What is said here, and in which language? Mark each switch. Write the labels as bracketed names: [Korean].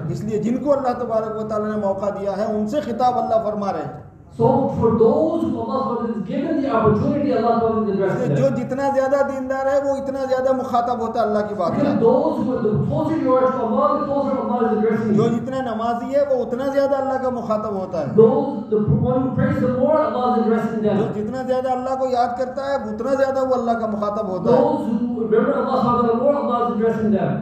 [Urdu] اس لیے جن کو اللہ تبارک و تعالیٰ نے موقع دیا ہے ان سے خطاب اللہ فرما رہے ہیں. [English] So for those who Allah has given the opportunity, Allah has addressed them. [Urdu] جو جتنا زیادہ دیندار ہے وہ اتنا زیادہ مخاطب ہوتا ہے اللہ کی بات. جو جتنا نمازی ہے وہ اتنا زیادہ اللہ کا مخاطب ہوتا ہے. جو جتنا زیادہ اللہ کو یاد کرتا ہے اتنا زیادہ وہ اللہ کا مخاطب ہوتا ہے.